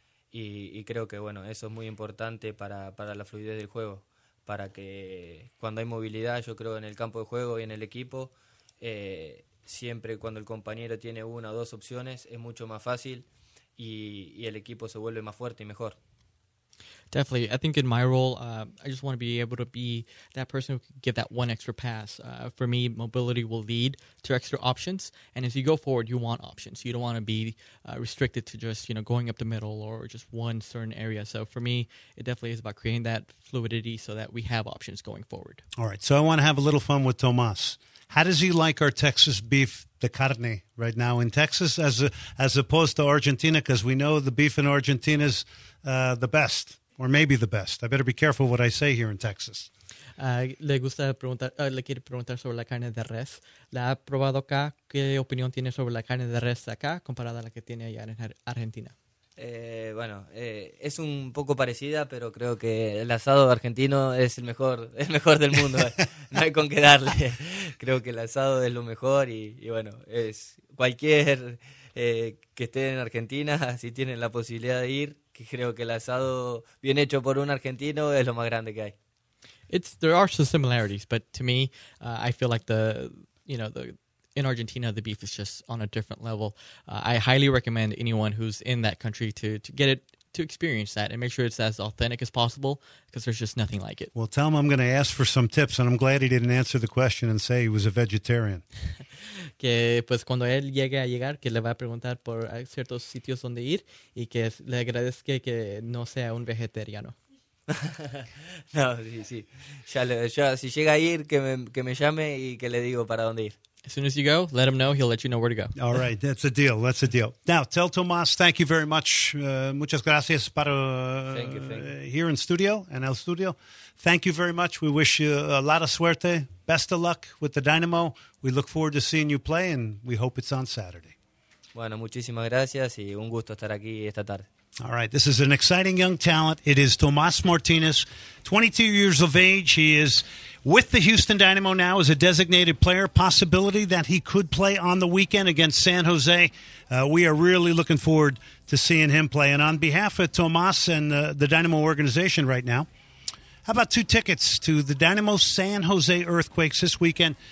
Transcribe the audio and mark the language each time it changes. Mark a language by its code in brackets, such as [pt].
[es] Y creo que bueno, eso es muy importante para la fluidez del juego, para que cuando hay movilidad, yo creo, en el campo de juego y en el equipo, siempre cuando el compañero tiene una o dos opciones, es mucho más fácil y el equipo se vuelve más fuerte y mejor. [en] Definitely. I think in my role, I just want to be able to be that person who can give that one extra pass. For me, mobility will lead to extra options. And as you go forward, you want options. You don't want to be restricted to just, you know, going up the middle or just one certain area. So for me, it definitely is about creating that fluidity so that we have options going forward. All right. So I want to have a little fun with Tomas. How does he like our Texas beef, the carne, right now in Texas as opposed to Argentina? Because we know the beef in Argentina is the best. Or maybe the best. I better be careful what I say here in Texas. [es] Le gusta preguntar, le quiere preguntar sobre la carne de res. ¿La ha probado acá? ¿Qué opinión tiene sobre la carne de res acá comparada a la que tiene allá en Argentina? Es un poco parecida, pero creo que el asado argentino es el mejor del mundo. No hay con qué darle. Creo que el asado es lo mejor y bueno, es cualquier que esté en Argentina, si tienen la posibilidad de ir, creo que el asado bien hecho por un argentino es lo más grande que hay. [en] There are some similarities, but to me, I feel like in Argentina, the beef is just on a different level. I highly recommend anyone who's in that country to get it, to experience that and make sure it's as authentic as possible, because there's just nothing like it. Well, tell him I'm going to ask for some tips, and I'm glad he didn't answer the question and say he was a vegetarian. [es] Que pues cuando él llegue a llegar, que le va a preguntar por ciertos sitios donde ir y que le agradezca que no sea un vegetariano. No, sí, sí. Ya, si llega a ir, que me llame y que le digo para dónde ir. [en] As soon as you go, let him know. He'll let you know where to go. All right. That's a deal. That's a deal. Now, tell Tomas, thank you very much. [es] Muchas gracias para [en] here in studio, [es] en el studio. [en] Thank you very much. We wish you a lot of suerte. Best of luck with the Dynamo. We look forward to seeing you play, and we hope it's on Saturday. [es] Bueno, muchísimas gracias y un gusto estar aquí esta tarde. [en] All right, this is an exciting young talent. It is Tomas Martinez, 22 years of age. He is with the Houston Dynamo now as a designated player. Possibility that he could play on the weekend against San Jose. We are really looking forward to seeing him play. And on behalf of Tomas and the Dynamo organization right now, how about two tickets to the Dynamo San Jose Earthquakes this weekend?